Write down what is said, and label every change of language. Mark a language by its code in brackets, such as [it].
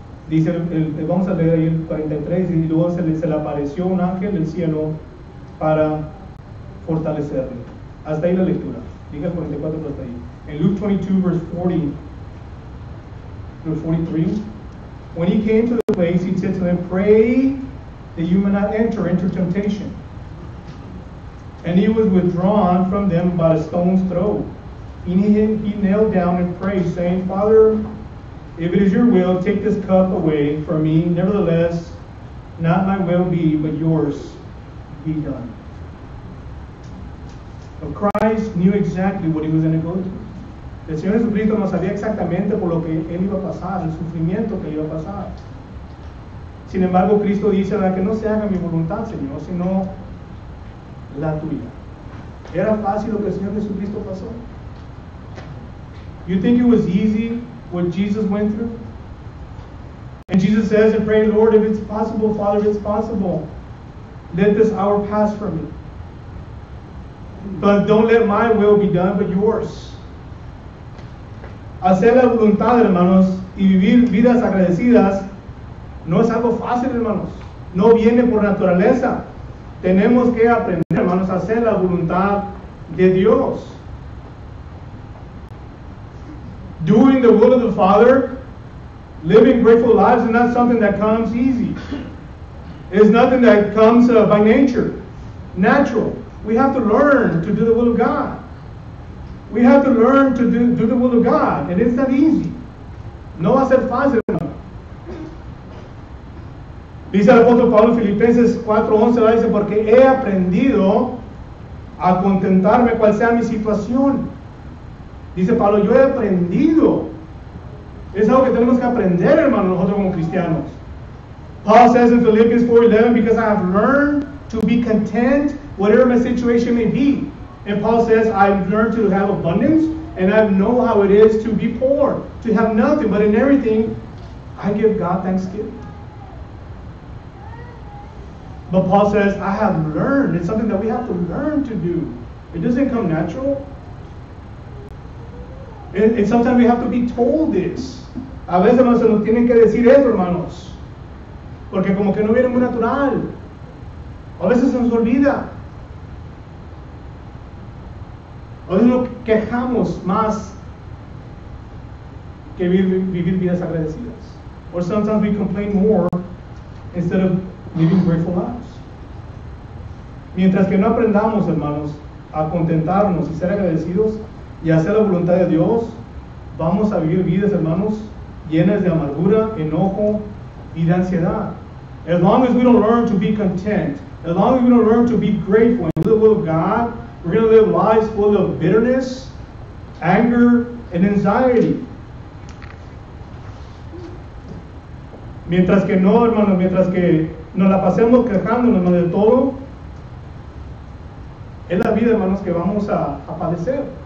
[es] Dice, vamos a leer ahí el 43, y luego se le apareció un ángel del cielo para fortalecerle. Hasta ahí la lectura. Diga el 44, hasta ahí. En [en] Luke 22, verse 40, 43. When he came to the place, he said to them, "Pray that you may not enter into temptation." And he was withdrawn from them by a stone's throw. He knelt down and prayed, saying, "Father, if it is your will, take this cup away from me. Nevertheless, not my will be, but yours be done." But Christ knew exactly what he was going to go through. [es] El Señor Jesucristo no sabía exactamente por lo que él iba a pasar, el sufrimiento que iba a pasar. Sin embargo, Cristo dice, "La que no se haga mi voluntad, Señor, sino la tuya." ¿Era fácil lo que el Señor Jesucristo pasó? [en] You think it was easy what Jesus went through? And Jesus says and pray, "Lord, if it's possible, Father, if it's possible, let this hour pass from me. But don't let my will be done, but yours." [es] Hacer la voluntad, hermanos, y vivir vidas agradecidas no es algo fácil, hermanos. No viene por naturaleza. Tenemos que aprender, hermanos, a hacer la voluntad de Dios. [en] Doing the will of the Father, living grateful lives, is not something that comes easy. It's nothing that comes by nature, natural. We have to learn to do the will of God. We have to learn to do the will of God, and it's not easy. [es] No va a ser fácil. Dice el apóstol Pablo Filipenses 4:11, dice, porque he aprendido a contentarme cual sea mi situación. Dice Pablo, yo he aprendido. Es algo que tenemos que aprender, hermanos, nosotros como cristianos. [en] Paul says in Philippians 4:11, because I have learned to be content, whatever my situation may be. And Paul says, I've learned to have abundance, and I know how it is to be poor, to have nothing, but in everything, I give God thanksgiving. But Paul says, I have learned. It's something that we have to learn to do. It doesn't come natural. And sometimes we have to be told this. [es] A veces no se nos tienen que decir eso, hermanos. Porque como que no viene muy natural. A veces se nos olvida. A veces nos quejamos más que vivir vidas agradecidas. [en] Or sometimes we complain more instead of living grateful lives. [es] Mientras que no aprendamos, hermanos, a contentarnos y ser agradecidos y hacer la voluntad de Dios, vamos a vivir vidas, hermanos, llenas de amargura, enojo y de ansiedad. [en] As long as we don't learn to be content, as long as we don't learn to be grateful and do the will of God, we're going to live lives full of bitterness, anger, and anxiety. [es] Mientras que no, hermanos, mientras que nos la pasemos quejándonos de todo, es la vida, hermanos, que vamos a padecer.